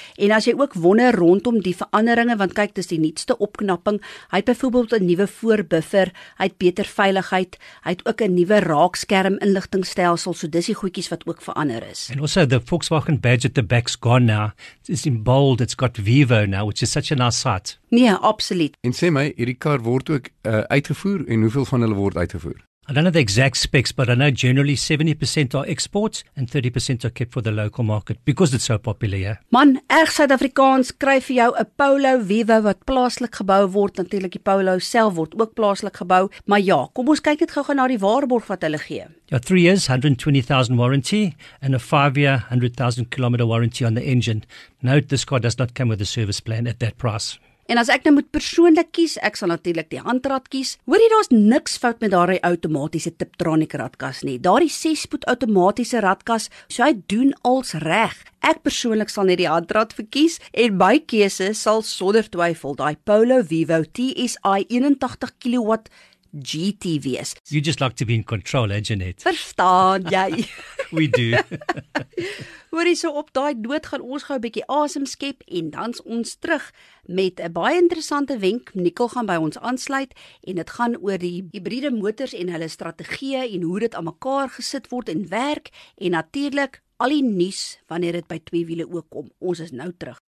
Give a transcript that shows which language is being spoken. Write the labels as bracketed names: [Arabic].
[Afrikaans] En as jy ook wonder rondom die veranderinge, want kyk, dis die nuutste opknapping, hy het byvoorbeeld 'n nuwe voorbuffer, hy het beter veiligheid, hy het ook 'n nuwe raakskerm inligtingstelsel, so dis die goedjies wat ook verander is. [English] And also the Volkswagen badge at the back's gone now. It's in bold, it's got Vivo now, which is such a nice sight. [Afrikaans] Nee, absoluut. En sê my, hierdie kar word ook uitgevoer en hoeveel van hulle word uitgevoer? [English] I don't know the exact specs, but I know generally 70% are exports and 30% are kept for the local market because it's so popular. Yeah? [Afrikaans] Man, erg Suid-Afrikaans, kry vir jou 'n Polo Vivo wat plaaslik gebou word. Natuurlik die Polo self word ook plaaslik gebou, maar ja, kom ons kyk net gou-gou na die waarborg wat hulle gee. [English] Ja, 3 years, 120,000 warranty and a 5 year, 100,000 kilometer warranty on the engine. Note, this car does not come with a service plan at that price. [Afrikaans] En as ek nou moet persoonlik kies, ek sal natuurlik die handrad kies. Hoor jy, daar's niks fout met daardie outomatiese Tiptronic radkas nie. Daardie 6-spoed outomatiese radkas, so hy doen als reg. Ek persoonlik sal net die handrad verkies en my keuse sal sonder twyfel daai Polo Vivo TSI 81 kW GT wees. [English] You just like to be in control, eh, Jeanette? [Afrikaans] Verstaan jy? [English] We do. [Afrikaans] Hoor jy, so op daai noot gaan ons gou 'n bietjie asem skep en dan ons terug met 'n baie interessante wenk. Nicole gaan by ons aansluit en dit gaan oor die hybride motors en hulle strategieë en hoe dit aan mekaar gesit word en werk en natuurlik al die nuus wanneer dit by twee wiele ook kom. Ons is nou terug.